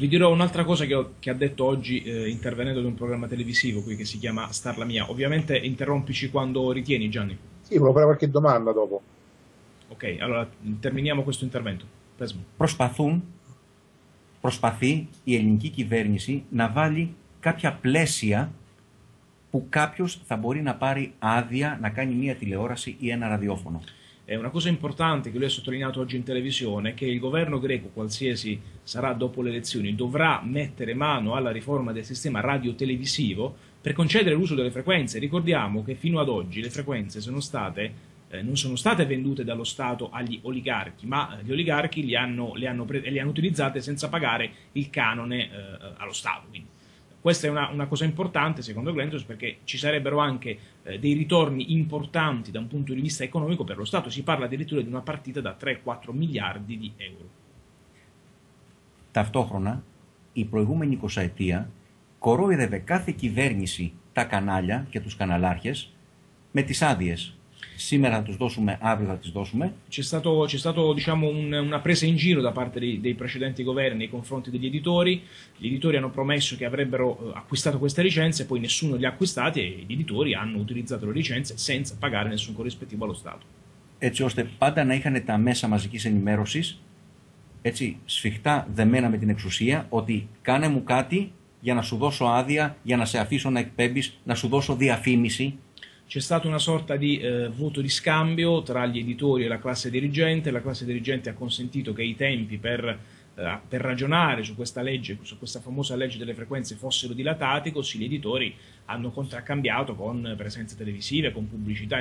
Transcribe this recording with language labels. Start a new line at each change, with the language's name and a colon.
Italian: Vi dirò un'altra cosa che ha detto oggi intervenendo ad un programma televisivo qui che si chiama Σταρ Λαμία. Ovviamente interrompici quando ritieni, Gianni. Sì, volevo fare qualche domanda dopo. Ok, allora terminiamo questo intervento. Pesmo.
Greek: Προσπαθούν προσπαθεί η ελληνική κυβέρνηση να βάλει κάποια πλαίσια που κάποιος θα μπορεί να πάρει άδεια να κάνει μια τηλεόραση ή ένα ραδιόφωνο.
Italian: Una cosa importante che lui ha sottolineato oggi in televisione è che il governo greco, qualsiasi sarà dopo le elezioni, dovrà mettere mano alla riforma del sistema radio-televisivo per concedere l'uso delle frequenze. Ricordiamo che fino ad oggi le frequenze sono state, non sono state vendute dallo Stato agli oligarchi, ma gli oligarchi le hanno utilizzate senza pagare il canone allo Stato. Quindi. Questa è una cosa importante, secondo Glentos, perché ci sarebbero anche dei ritorni importanti da un punto di vista economico per lo Stato. Si parla addirittura di una partita da 3-4 miliardi di euro.
Greek: Ταυτόχρονα, η προηγούμενη 20ετία κορόιδευε κάθε κυβέρνηση τα κανάλια και τους καναλάρχες με τις άδειες. Σήμερα θα τους δώσουμε, αύριο θα τις δώσουμε.
Italian: C'è stato diciamo, una presa in giro da parte dei precedenti governi nei confronti degli editori. Gli editori hanno promesso che avrebbero acquistato queste licenze, poi nessuno li ha acquistati e gli editori hanno utilizzato le licenze senza pagare nessun corrispettivo allo Stato.
Greek: Έτσι ώστε πάντα να είχαν τα μέσα μαζικής ενημέρωσης, έτσι σφιχτά δεμένα με την εξουσία, ότι κάνε μου κάτι για να σου δώσω άδεια, για να σε αφήσω να εκπέμπεις, να σου δώσω διαφήμιση.
Italian: C'è stata una sorta di voto di scambio tra gli editori e la classe dirigente. La classe dirigente ha consentito che i tempi per ragionare su questa legge, su questa famosa legge delle frequenze, fossero dilatati, così gli editori hanno contraccambiato con presenze televisive, con pubblicità.